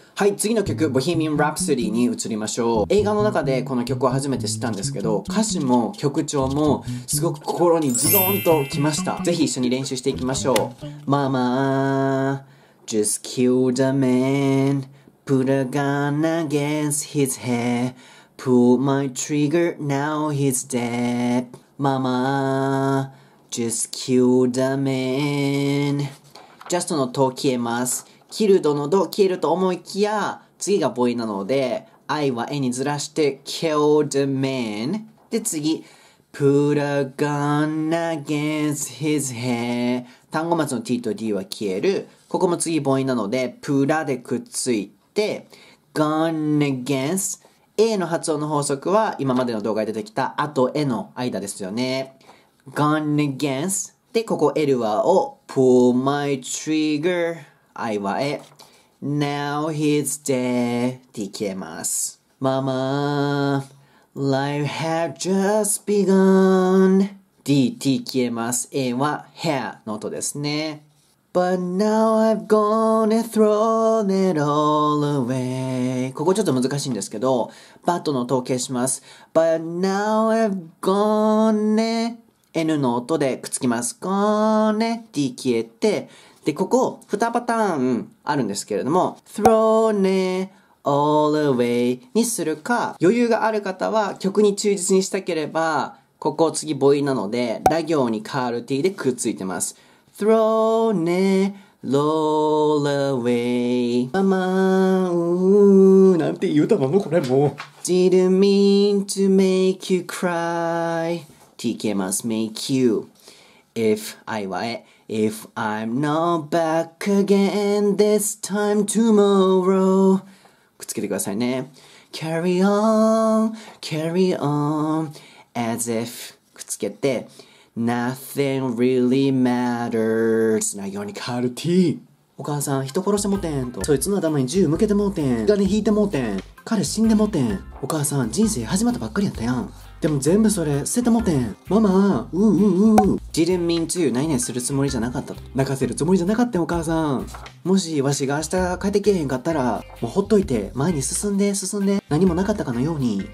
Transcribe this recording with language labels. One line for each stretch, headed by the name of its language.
Japanese: はい、次の曲、ボヒミン・ラプソディに移りましょう。映画の中でこの曲を初めて知ったんですけど、歌詞も曲調もすごく心にズドンときました。ぜひ一緒に練習していきましょう。
English: Mama, just killed a man, put a gun against his head, pull my trigger, now he's dead. Mama, just killed a man.
Japanese: Just の音消えます。キルドのド消えると思いきや、次がボイなので、I は絵にずらして、
English: killed a man。
Japanese: で、次、
English: put a gun against his head。
Japanese: 単語末の T と D は消える。ここも次ボイなので、プラでくっついて、gun against。 A の発音の法則は、今までの動画で出てきた、あと絵の間ですよね。
English: gun against。
Japanese: で、ここ L はを、
English: pull my trigger。
Japanese: 愛は絵。
English: Now he's dead.
Japanese: って消えます。
English: Mama, life had just begun.
Japanese: D, T 消えます。 A は hair の音ですね。
English: But now I've gone and thrown it all away.
Japanese: ここちょっと難しいんですけど、バットの音を消します。
English: But now I've gone and
Japanese: N の音でくっつきます。 Gone D 消えて、で、ここ、二パターンあるんですけれども、
English: thrown it all away
Japanese: にするか、余裕がある方は曲に忠実にしたければ、ここ次母音なので、ラ行にカール T でくっついてます。
English: thrown it all away.
Japanese: ママなんて言うたまんのこれもう。
English: Didn't mean to make you cry.
Japanese: T 消えます。
English: make you. If I were. If I'm not back again this time tomorrow.
Japanese: くっつけてくださいね。
English: Carry on, carry on, as if.
Japanese: くっつけて。
English: Nothing really matters.
Japanese: なようにカルティ。お母さん、人殺してもてんと。そいつの頭に銃向けてもてん。金引いてもてん。彼死んでもてん。お母さん、人生始まったばっかりやったやん。でも全部それ捨ててもてん。ママ、ジルミンつゆ何々するつもりじゃなかったと。泣かせるつもりじゃなかったお母さん。もしわしが明日帰ってけへんかったら、もうほっといて前に進んで進んで何もなかったかのように。